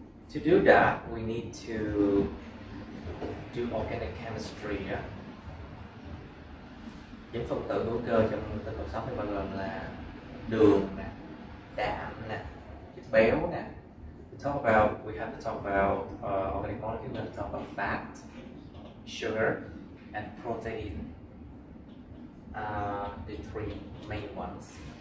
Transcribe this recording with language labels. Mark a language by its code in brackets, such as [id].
[en] To do that, we need to do organic chemistry. [vi] Những phân tử hữu cơ trong sinh vật sống thì bao gồm là đường nè, đạm nè, chất béo nè. [en] We have to talk about organic molecules. We have to talk about fat, sugar, and protein. The three main ones.